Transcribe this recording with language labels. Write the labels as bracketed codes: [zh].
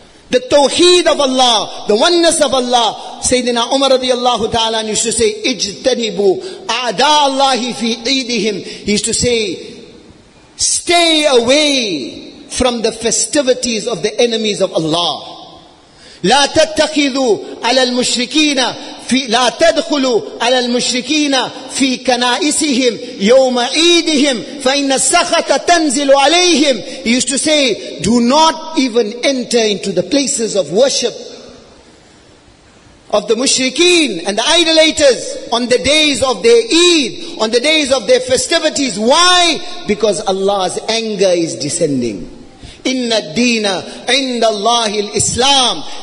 [en] The tawheed of Allah, the oneness of Allah. Sayyidina Umar radiallahu ta'ala used to say, [ar] اجتنبوا أعداء الله في عيدهم. [en] He used to say, stay away from the festivities of the enemies of Allah. [ar] لا تتخذوا على المشركين في لا تدخلوا على المشركين في كنائسهم يوم عيدهم فإن السخط تنزل عليهم. [en] He used to say, do not even enter into the places of worship of the mushrikeen and the idolaters on the days of their Eid, on the days of their festivities. Why? Because Allah's anger is descending. [ar] إِنَّ الدِّينَ عِنْدَ اللَّهِ الْإِسْلَامِ.